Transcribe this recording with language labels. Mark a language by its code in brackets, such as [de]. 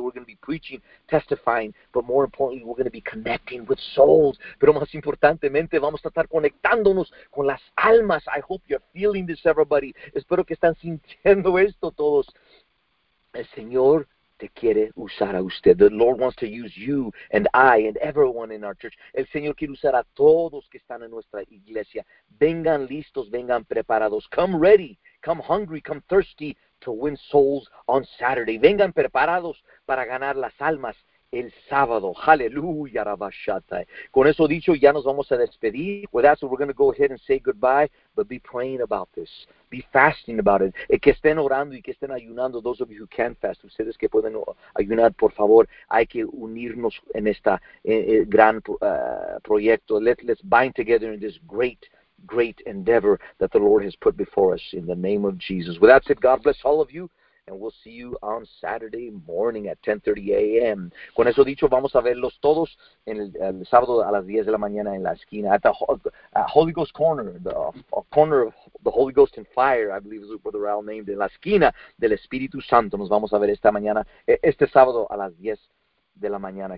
[en] We're going to be preaching, testifying, but more importantly, we're going to be connecting with souls. [es] Pero más importantemente, vamos a estar conectándonos con las almas. [en] I hope you're feeling this, everybody. [es] Espero que están sintiendo esto todos. El Señor te quiere usar a usted. [en] The Lord wants to use you and I and everyone in our church. [es] El Señor quiere usar a todos que están en nuestra iglesia. Vengan listos, vengan preparados. [en] Come ready, come hungry, come thirsty to win souls on Saturday. [es] Vengan preparados para ganar las almas el sábado. Hallelujah, Rabashatai. Con eso dicho, ya nos vamos a despedir. [en] With that, so we're going to go ahead and say goodbye, but be praying about this. Be fasting about it. [es] Que estén orando y que estén ayunando. [en] Those of you who can fast, [es] ustedes que pueden ayunar, por favor, hay que unirnos en esta gran proyecto. [en] Let's bind together in this great endeavor that the Lord has put before us in the name of Jesus. With that said, God bless all of you. And we'll see you on Saturday morning at 10:30 a.m. [es] Con eso dicho, vamos a verlos todos el sábado a las 10 de la mañana en la esquina. [en] At the Holy Ghost Corner, the corner of the Holy Ghost and Fire, I believe is what the Raúl named. [es] En la esquina del Espíritu Santo. Nos vamos a ver esta mañana, este sábado a las 10 de la mañana.